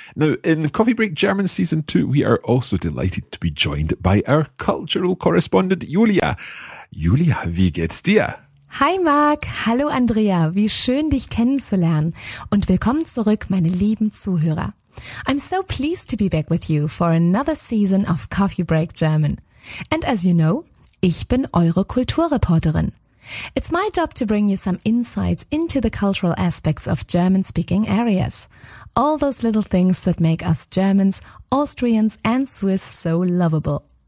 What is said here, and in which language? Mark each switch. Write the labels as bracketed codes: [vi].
[en] Now, in Coffee Break German Season 2, we are also delighted to be joined by our cultural correspondent, Julia. [de] Julia, wie geht's dir? Hi Marc, hallo Andrea, wie schön dich kennenzulernen und willkommen zurück, meine lieben Zuhörer. [en] I'm so pleased to be back with you for another season of Coffee Break German. And as you know, [de] ich bin eure Kulturreporterin. [en] It's my job to bring you some insights into the cultural aspects of German-speaking areas. All those little things that make us Germans, Austrians and Swiss so lovable.